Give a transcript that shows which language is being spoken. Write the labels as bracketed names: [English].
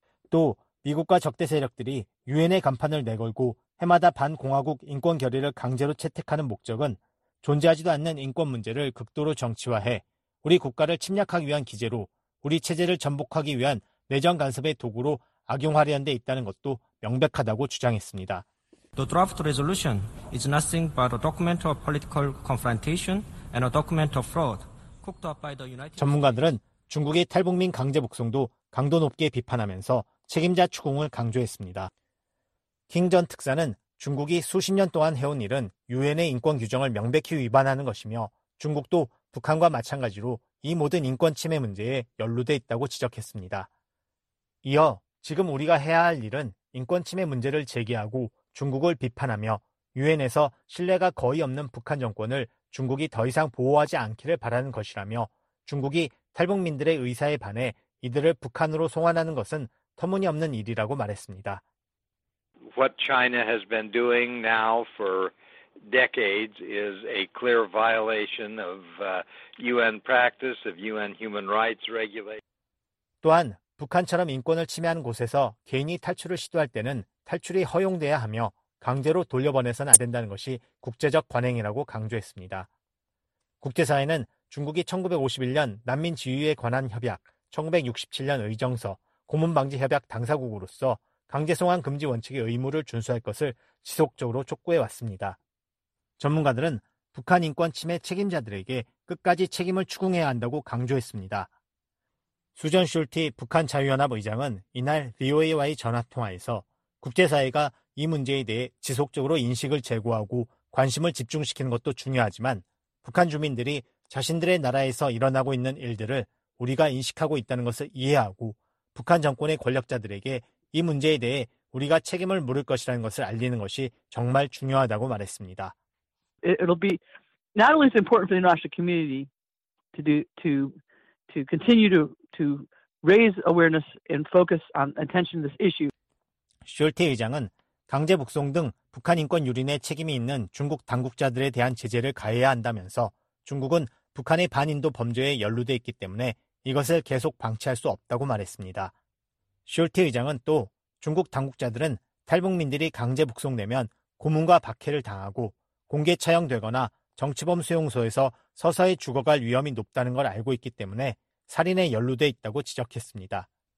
[Korean] 또 미국과 적대 세력들이 유엔의 간판을 내걸고 해마다 반공화국 인권 결의를 강제로 채택하는 목적은 존재하지도 않는 인권 문제를 극도로 정치화해 우리 국가를 침략하기 위한 기제로 우리 체제를 전복하기 위한 내정 간섭의 도구로 악용하려는 데 있다는 것도 명백하다고 주장했습니다. [English] The draft resolution is nothing but a document of political confrontation and a document of fraud cooked up by the United. [Korean] 전문가들은 중국의 탈북민 강제 복송도 강도 높게 비판하면서 책임자 추궁을 강조했습니다. 킹 전 특사는 중국이 수십 년 동안 해온 일은 유엔의 인권 규정을 명백히 위반하는 것이며 중국도 북한과 마찬가지로 이 모든 인권 침해 문제에 연루돼 있다고 지적했습니다. 이어 지금 우리가 해야 할 일은 인권 침해 문제를 제기하고 중국을 비판하며 유엔에서 신뢰가 거의 없는 북한 정권을 중국이 더 이상 보호하지 않기를 바라는 것이라며 중국이 탈북민들의 의사에 반해 이들을 북한으로 송환하는 것은 터무니없는 일이라고 말했습니다. [English] What China has been doing now for decades is a clear violation of UN practice, of UN human rights regulation. [Korean] 또한 북한처럼 인권을 침해하는 곳에서 개인이 탈출을 시도할 때는 탈출이 허용돼야 하며 강제로 돌려보내선 안 된다는 것이 국제적 관행이라고 강조했습니다. 국제사회는 중국이 1951년 난민 지위에 관한 협약, 1967년 의정서, 고문방지협약 당사국으로서 강제송환 금지 원칙의 의무를 준수할 것을 지속적으로 촉구해왔습니다. 전문가들은 북한 인권 침해 책임자들에게 끝까지 책임을 추궁해야 한다고 강조했습니다. 수전 슐티 북한 자유연합 의장은 이날 VOA와의 전화통화에서 국제사회가 이 문제에 대해 지속적으로 인식을 제고하고 관심을 집중시키는 것도 중요하지만 북한 주민들이 자신들의 나라에서 일어나고 있는 일들을 우리가 인식하고 있다는 것을 이해하고 북한 정권의 권력자들에게 이 문제에 대해 우리가 책임을 물을 것이라는 것을 알리는 것이 정말 중요하다고 말했습니다. [English] It'll be not only is important for the international community to do to continue to raise awareness and focus on attention to this issue. [Korean] 쇼티 의장은 강제 북송 등 북한 인권 유린에 책임이 있는 중국 당국자들에 대한 제재를 가해야 한다면서 중국은 북한의 반인도 범죄에 연루돼 있기 때문에 이것을 계속 방치할 수 없다고 말했습니다. 쇼티 의장은 또 중국 당국자들은 탈북민들이 강제 북송되면 고문과 박해를 당하고 공개 처형되거나 정치범 수용소에서 서서히 죽어갈 위험이 높다는 걸 알고 있기 때문에 살인에 연루돼 있다고 지적했습니다.